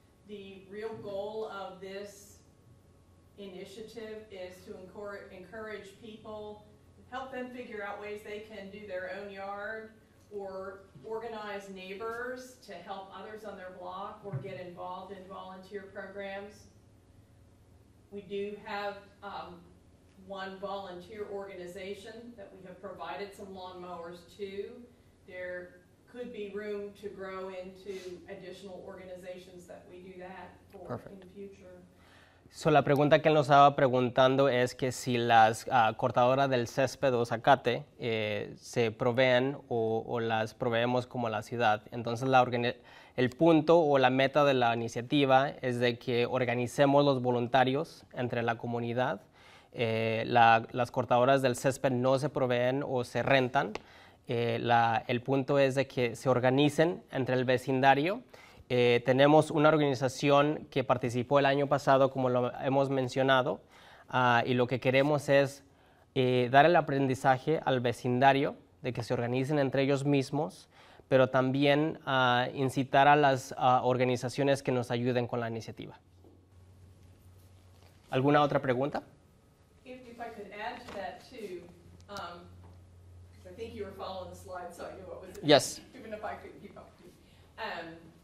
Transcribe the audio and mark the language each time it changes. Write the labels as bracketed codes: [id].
[en] The real goal of this initiative is to encourage people, help them figure out ways they can do their own yard or organize neighbors to help others on their block or get involved in volunteer programs. We do have one volunteer organization that we have provided some lawnmowers to. There could be room to grow into additional organizations that we do that for. Perfect. In the future. [es] So la pregunta que él nos estaba preguntando es que si las cortadoras del césped o zacate se proveen o las proveemos como la ciudad. Entonces el punto o la meta de la iniciativa es de que organicemos los voluntarios entre la comunidad Las cortadoras del césped no se proveen o se rentan. El punto es de que se organicen entre el vecindario. Tenemos una organización que participó el año pasado, como lo hemos mencionado, y lo que queremos es dar el aprendizaje al vecindario de que se organicen entre ellos mismos, pero también incitar a las organizaciones que nos ayuden con la iniciativa. ¿Alguna otra pregunta? [en] If I could add to that too, because I think you were following the slide, so I knew what was it. Yes. Even if I couldn't keep up with you.